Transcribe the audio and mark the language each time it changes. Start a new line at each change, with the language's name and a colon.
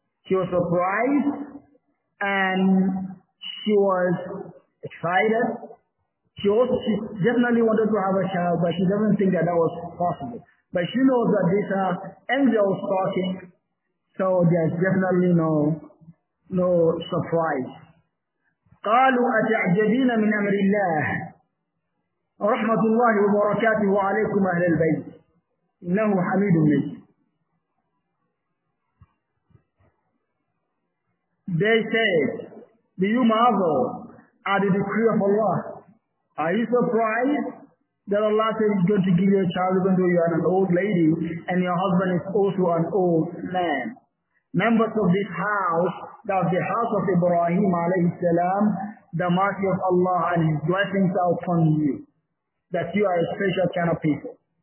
English: She was surprised and she was excited. She definitely wanted to have a child, but she doesn't think that that was possible. But she knows that these are angels talking. So there's definitely no surprise.
Arabic: قَالُوا أَتَعْجَبِينَ مِنْ أَمْرِ اللَّهِ رَحْمَةُ اللَّهِ وَبَرَكَاتِهُ عَلَيْكُمْ أَهْلِ الْبَيْتِ إِنَّهُ حَمِيدٌ مَجِيدٌ
English: They said, Do you marvel at the decree of Allah? Are you surprised that Allah said He's going to give you a child even though you are an old lady and your husband is also an old man? Members of this house, that was the house of Ibrahim alayhi salam, the mercy of Allah and His blessings are upon you, that you are a special kind of people.